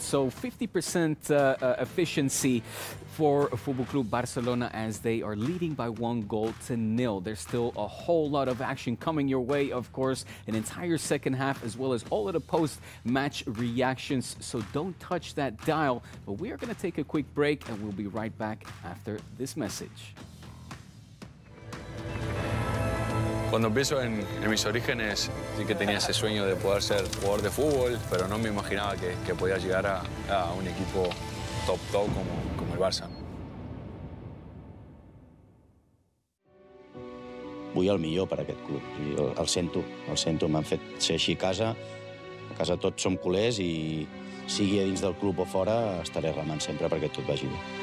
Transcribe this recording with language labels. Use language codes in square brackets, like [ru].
[en] So 50% efficiency for Football Club Barcelona as they are leading by 1-0. There's still a whole lot of action coming your way, of course, an entire second half, as well as all of the post-match reactions. So don't touch that dial. But we are going to take a quick break, and we'll be right back after this message. [es] Cuando pienso en mis orígenes, sí que tenía ese sueño de poder ser jugador de fútbol, pero no me imaginaba que podía llegar a un equipo top como el Barça. [ca] Vull el millor per aquest club. El sento, m'han fet ser així a casa. A casa tots som culers i sigui a dins del club o fora, estaré remant sempre perquè tot vagi bé.